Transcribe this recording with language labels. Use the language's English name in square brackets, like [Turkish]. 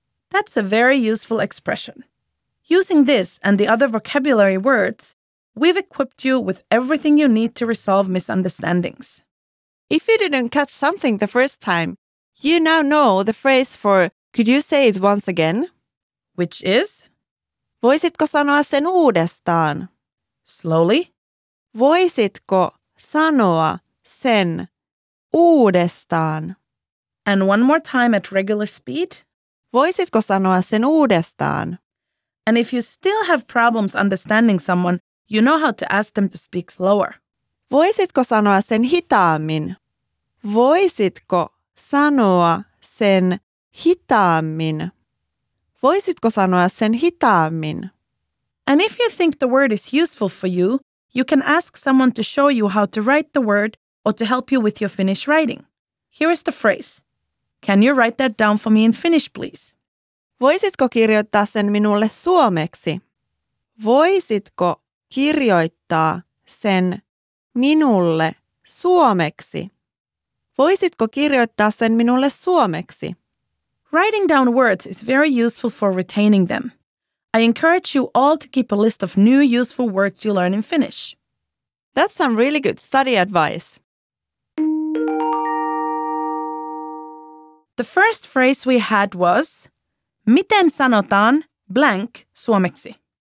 [English] That's a very useful expression. Using this and the other vocabulary words, we've equipped you with everything you need to resolve misunderstandings. If you didn't catch something the first time, you now know the phrase for could you say it once again? Which is? [Finnish] Voisitko sanoa sen uudestaan? [English] Slowly. [Finnish] Voisitko sanoa sen uudestaan? [English] And one more time at regular speed. [Finnish] Voisitko sanoa sen uudestaan? [English] And if you still have problems understanding someone, you know how to ask them to speak slower. [Finnish] Voisitko sanoa sen hitaammin? Voisitko sanoa sen hitaammin? Voisitko sanoa sen hitaammin? [English] And if you think the word is useful for you, you can ask someone to show you how to write the word or to help you with your Finnish writing. Here is the phrase. Can you write that down for me in Finnish, please? [Finnish] Voisitko kirjoittaa sen minulle suomeksi? Voisitko kirjoittaa sen minulle suomeksi? Voisitko kirjoittaa sen minulle suomeksi? [English] Writing down words is very useful for retaining them. I encourage you all to keep a list of new useful words you learn in Finnish. That's some really good study advice. The first phrase we had was [Finnish] miten sanotaan [English] blank suomeksi?